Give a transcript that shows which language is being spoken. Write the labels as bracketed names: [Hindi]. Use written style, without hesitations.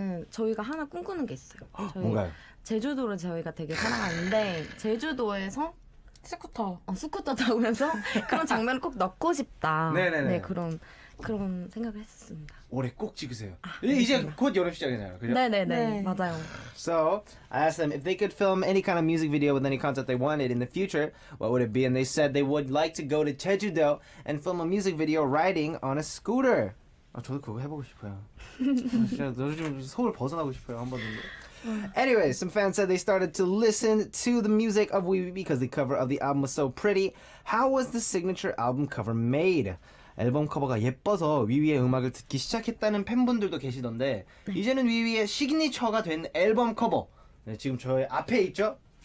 [Korean] 저희가 하나 꿈꾸는 게 있어요. 뭔가요? 제주도를 저희가 되게 사랑하는데 제주도에서 스쿠터. 어, 스쿠터 타고면서 그런 장면을 꼭 넣고 싶다. 네네네. 네, 그런 그런 생각을 했었습니다. 올해 꼭 찍으세요. 아, 이제 곧 여름 시작이잖아요. 그렇죠? 네네네. 네. 맞아요. [English] So I asked them if they could film any kind of music video with any concept they wanted in the future, what would it be? And they said they would like to go to Jeju-do and film a music video riding on a scooter. [Korean] 아, 저도 그거 해보고 싶어요. 진짜 요즘 서울 벗어나고 싶어요. 한 번 정도. [English] Anyway, some fans said they started to listen to the music of Weeby because the cover of the album was so pretty. How was the signature album cover made? [Korean] 앨범 커버가 예뻐서 위위의 음악을 듣기 시작했다는 팬분들도 계시던데 네. 이제는 위위의 시그니처가 된 앨범 커버 네, 지금 저의 앞에 있죠?